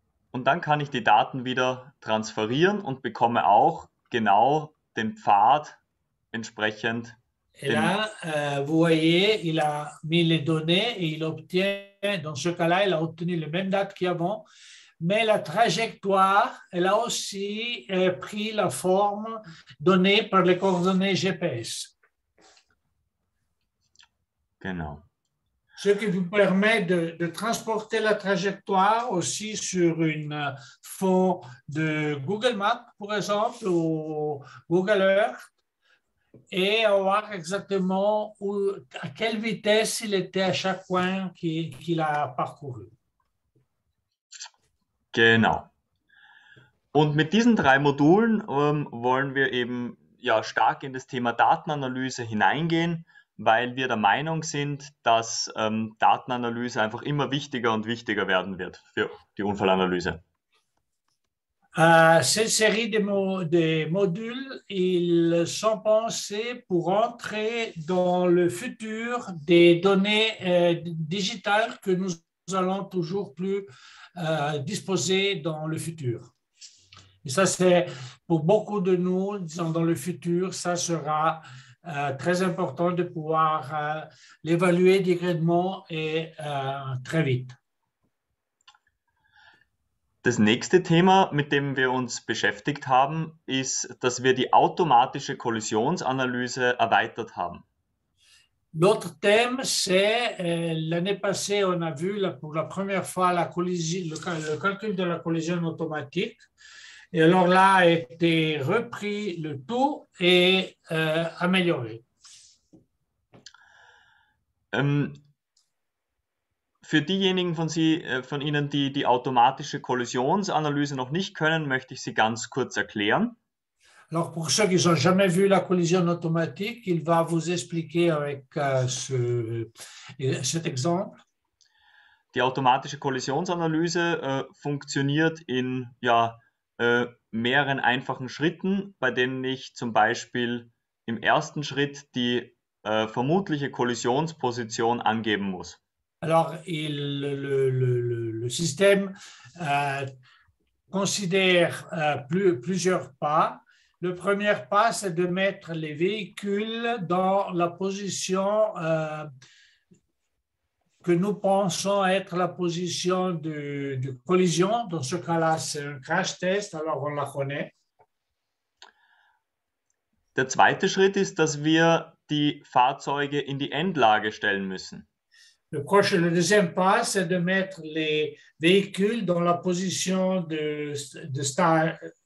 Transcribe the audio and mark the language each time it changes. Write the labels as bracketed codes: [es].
[de] Und dann kann ich die Daten wieder transferieren und bekomme auch genau den Pfad entsprechend [fr] Et [de] den. [fr] là, vous voyez, il a mis les données et il obtient, dans ce cas-là, il a obtenu les mêmes dates qu'avant, mais la trajectoire, elle a aussi pris la forme donnée par les coordonnées GPS. [de] Genau. [fr] Ce qui vous permet de transporter la trajectoire aussi sur une fond de Google Maps, par exemple, ou Google Earth. Et voir exactement où, à quelle vitesse il était à chaque coin qu'il a parcouru. [de] Genau. Und mit diesen drei Modulen wollen wir eben ja stark in das Thema Datenanalyse hineingehen, weil wir der Meinung sind, dass Datenanalyse einfach immer wichtiger und wichtiger werden wird für die Unfallanalyse. [fr] Cette série de modules, ils sont pensés pour entrer dans le futur des données digitales que nous allons toujours plus disposer dans le futur. Et ça, c'est pour beaucoup de nous, disons, dans le futur, ça sera très important de pouvoir l'évaluer directement et très vite. [de] Das nächste Thema, mit dem wir uns beschäftigt haben, ist, dass wir die automatische Kollisionsanalyse erweitert haben. [fr] L'autre thème, c'est l'année passée, on a vu pour la première fois la le calcul de la collision automatique. Et alors là, a été repris le tout et amélioré. [de] Für diejenigen von Ihnen, die die automatische Kollisionsanalyse noch nicht können, möchte ich sie ganz kurz erklären. [fr] Alors, pour ceux qui n'ont jamais vu la collision automatique, il va vous expliquer avec cet exemple. [de] Die automatische Kollisionsanalyse funktioniert in ja, mehreren einfachen Schritten, bei denen ich zum Beispiel im ersten Schritt die vermutliche Kollisionsposition angeben muss. [fr] Alors, le système considère plusieurs pas. Le premier pas, c'est de mettre les véhicules dans la position que nous pensons être la position de collision. Dans ce cas-là, c'est un crash test, alors on la connaît. [de] Der zweite Schritt ist, dass wir die Fahrzeuge in die Endlage stellen müssen. [fr] Le deuxième pas, c'est de mettre les véhicules dans la position de start.